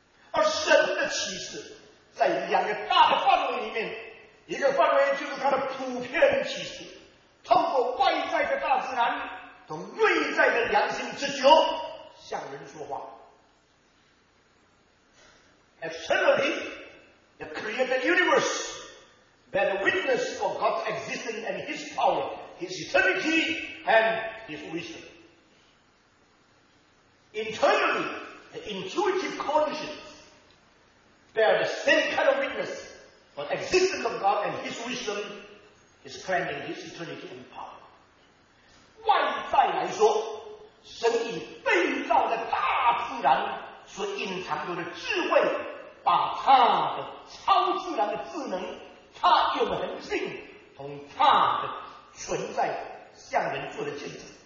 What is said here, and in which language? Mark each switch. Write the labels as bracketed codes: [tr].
[zh] 而神的启示在两个大的范围里面，一个范围就是他的普遍启示，透过外在的大自然和内在的良心之觉向人说话。 [en] Externally, the created universe bear witness of God's existence and His power, His eternity and His wisdom. Internally, the intuitive consciencesBear the same kind of witness for the existence of God and His wisdom, His plan and His eternity and power. [zh] 外在来说，神以被造的大自然所隐藏着的智慧，把他的超自然的智能、他有的恒性同他的存在向人做了见证。